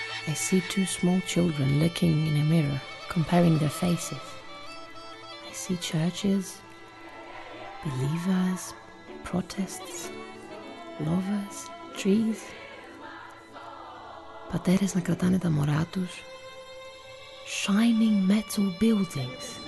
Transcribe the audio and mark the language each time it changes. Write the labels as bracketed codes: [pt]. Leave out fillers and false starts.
[en] I see two small children looking in a mirror, comparing their faces. I see churches, believers, protests, lovers, trees. [el] Πατέρες να κρατάνε τα μωρά τους. [en] Shining metal buildings.